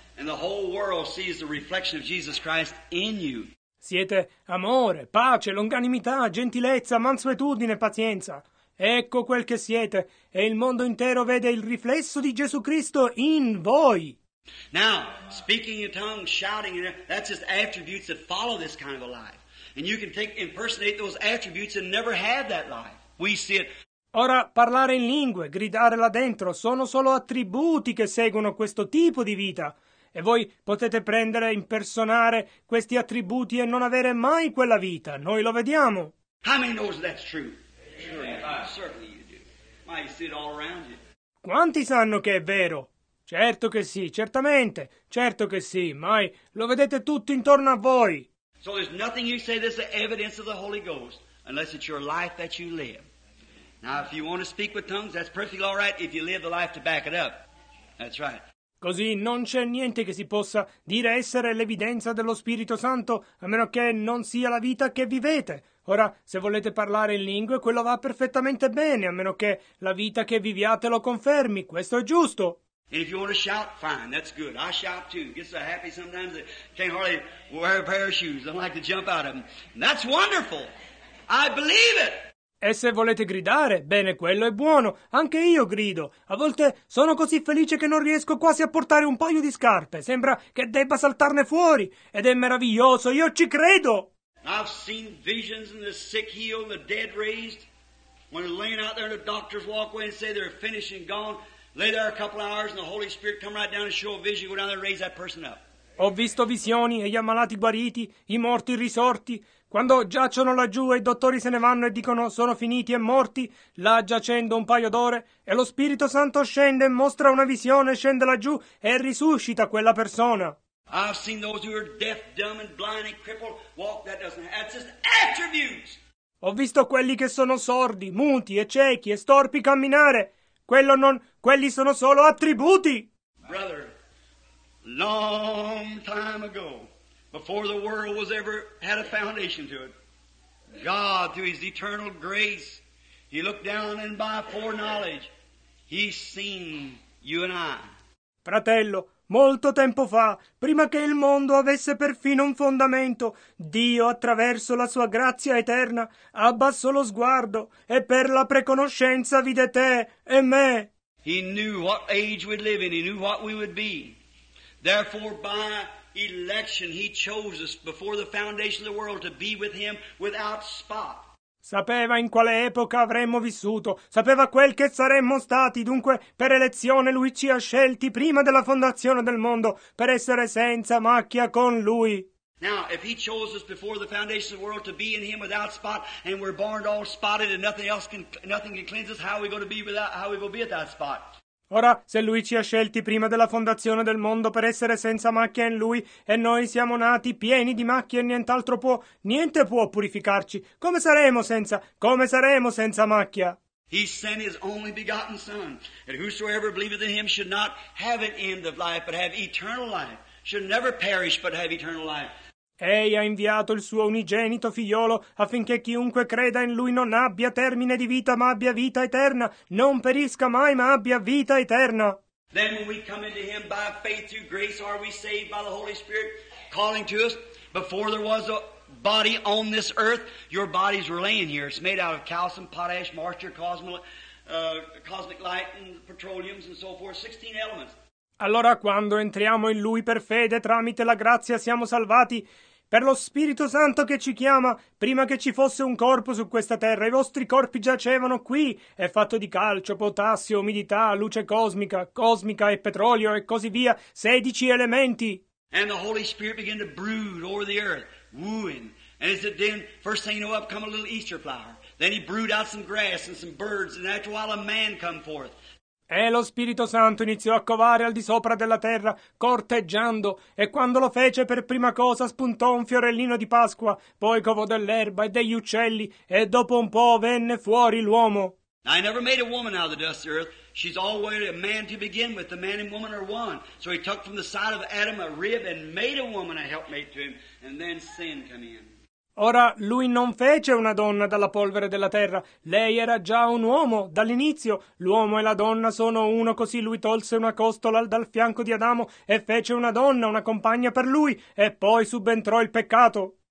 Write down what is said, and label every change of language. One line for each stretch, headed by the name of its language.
English: And the whole world sees the reflection of Jesus Christ in you.
Italian: Siete amore, pace, longanimità, gentilezza, mansuetudine, pazienza. Ecco quel che siete, e il mondo intero vede il riflesso di Gesù Cristo in voi.
English: Now, speaking in tongues, shouting, that's just attributes that follow this kind of a life. And you can take, impersonate those attributes and never have that life. We see it.
Italian: Ora, parlare in lingue, gridare là dentro, sono solo attributi che seguono questo tipo di vita. E voi potete prendere, impersonare questi attributi e non avere mai quella vita. Noi lo vediamo.
English: How many knows that's true? Certainly you do. Why, you see it all around you.
Italian: Quanti sanno che è vero? Certo che sì, certamente. Certo che sì, mai lo vedete tutto intorno a voi.
English: So there's nothing you say that's the evidence of the Holy Ghost unless it's your life that you live. Now, if you want to speak with tongues, that's perfectly all right if you live the life to back it up. That's right.
Italian: Così non c'è niente che si possa dire essere l'evidenza dello Spirito Santo, a meno che non sia la vita che vivete. Ora, se volete parlare in lingue, quello va perfettamente bene, a meno che la vita che viviate lo confermi. Questo è giusto.
English: And if you want to shout, fine, that's good. I shout too. Get so happy sometimes that I can't hardly wear a pair of shoes. I like to jump out of them. That's wonderful. I believe it.
Italian: E se volete gridare, bene, quello è buono. Anche io grido. A volte sono così felice che non riesco quasi a portare un paio di scarpe. Sembra che debba saltarne fuori. Ed è meraviglioso, io ci credo.
English: I've seen visions in the sick healed, the dead raised. When they're laying out there and the doctors walk away and say they're finished and gone, lay there a couple of hours and the Holy Spirit come right down and show a vision, go down there and raise that person up.
Italian: Ho visto visioni e gli ammalati guariti, i morti risorti. Quando giacciono laggiù e i dottori se ne vanno e dicono sono finiti e morti, là giacendo un paio d'ore, e lo Spirito Santo scende e mostra una visione, scende laggiù e risuscita quella persona.
English: I've seen those who are deaf, dumb and blind and crippled walk, that doesn't have, it's just attributes.
Italian: Ho visto quelli che sono sordi, muti e ciechi e storpi camminare. Quello non, quelli sono solo attributi.
English: Brother, long time ago, before the world was ever had a foundation to it, God, through His eternal grace, He looked down and by foreknowledge, He seen you and I.
Italian: Fratello, molto tempo fa, prima che il mondo avesse perfino un fondamento, Dio, attraverso la sua grazia eterna, abbassò lo sguardo e per la preconoscenza vide te e me.
English: He knew what age we'd live in, He knew what we would be. Therefore, by election, He chose us before the foundation of the world to be with Him without spot.
Italian: Sapeva in quale epoca avremmo vissuto, sapeva quel che saremmo stati, dunque per elezione Lui ci ha scelti prima della fondazione del mondo per essere senza macchia con Lui.
English: Now, if He chose us before the foundation of the world to be in Him without spot, and we're born all spotted and nothing can cleanse us, how are we going to be without spot?
Italian: Ora, se Lui ci ha scelti prima della fondazione del mondo per essere senza macchia in Lui e noi siamo nati pieni di macchie e nient'altro può, niente può purificarci. Come saremo senza macchia?
English: He sent His only begotten Son, and whosoever believeth in Him should not have an end of life, but have eternal life. Should never perish, but have eternal life.
Italian: Egli ha inviato il suo unigenito figliolo affinché chiunque creda in lui non abbia termine di vita ma abbia vita eterna, non perisca mai ma abbia vita eterna.
English: Then when we come into Him by faith through grace are we saved by the Holy Spirit calling to us. Before there was a body on this earth, your bodies were laying here. It's made out of calcium, potash, moisture, cosmic light and petroleum and so forth, 16 elements.
Italian: Allora quando entriamo in Lui per fede tramite la grazia siamo salvati per lo Spirito Santo che ci chiama prima che ci fosse un corpo su questa terra. I vostri corpi giacevano qui, è fatto di calcio, potassio, umidità, luce cosmica e petrolio e così via, 16 elementi.
English: And the Holy Spirit began to brood over the earth, wooing. And as it then, first thing you know up, come a little Easter flower. Then He brewed out some grass and some birds, and after a while a man come forth.
Italian: E lo Spirito Santo iniziò a covare al di sopra della terra, corteggiando, e quando lo fece per prima cosa spuntò un fiorellino di Pasqua, poi covò dell'erba e degli uccelli, e dopo un po' venne fuori l'uomo.
English: I never made a woman out of the dust of the earth. She's always a man to begin with. The man and woman are one. So He took from the side of Adam a rib and made a woman a helpmate to him, and then sin came in.
Italian: Ora, Lui non fece una donna dalla polvere della terra. Lei era già un uomo, dall'inizio. L'uomo e la donna sono uno, così Lui tolse una costola dal fianco di Adamo e fece una donna, una compagna per Lui, e poi subentrò il peccato.